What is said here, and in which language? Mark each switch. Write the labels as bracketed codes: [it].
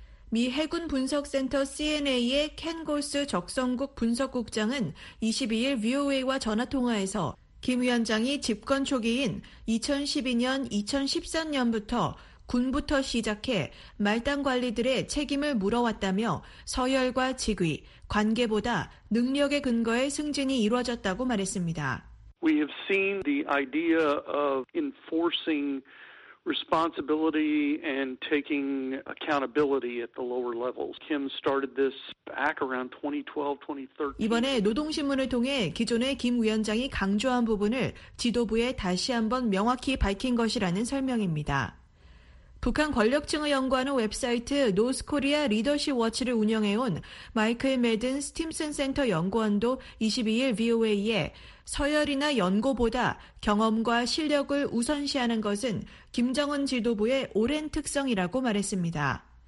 [ko] 미 해군분석센터 CNA의 켄 골스 적성국 분석국장은 22일 VOA와 전화통화에서 김 위원장이 집권 초기인 2012년, 2013년부터 군부터 시작해 말단 관리들의 책임을 물어왔다며 서열과 직위, 관계보다 능력의 근거에 승진이 이루어졌다고 말했습니다. [en] We have seen the idea of enforcing responsibility and taking accountability at the lower levels. Kim started this back around 2012, 2013. [ko] 이번에 노동신문을 통해 기존의 김 위원장이 강조한 부분을 지도부에 다시 한번 명확히 밝힌 것이라는 설명입니다. 북한 권력층을 연구하는 웹사이트 North Korea Leadership Watch를 운영해온 마이클 매든 스팀슨 센터 연구원도 22일 VOA에 서열이나 연고보다 경험과 실력을 우선시하는 것은 김정은 지도부의 오랜 특성이라고 말했습니다.